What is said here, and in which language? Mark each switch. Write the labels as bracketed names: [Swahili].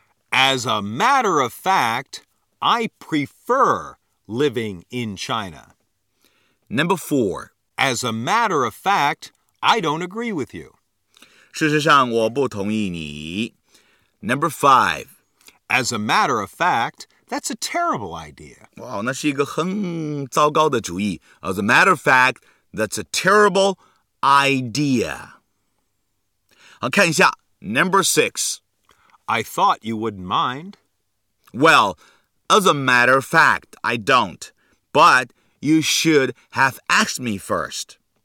[English] As a matter of fact, I preferliving in China. Number four. As a matter of fact, I don't agree with you. [Chinese] 事实上我不同意你。 [English] Number five. As a matter of fact, that's a terrible idea. [Chinese] 哇，那是一个很糟糕的主意。 [English] As a matter of fact, that's a terrible idea. [Chinese] 好，看一下。 [English] Number six. I thought you wouldn't mind. Well,As a matter of fact, I don't. But you should have asked me first.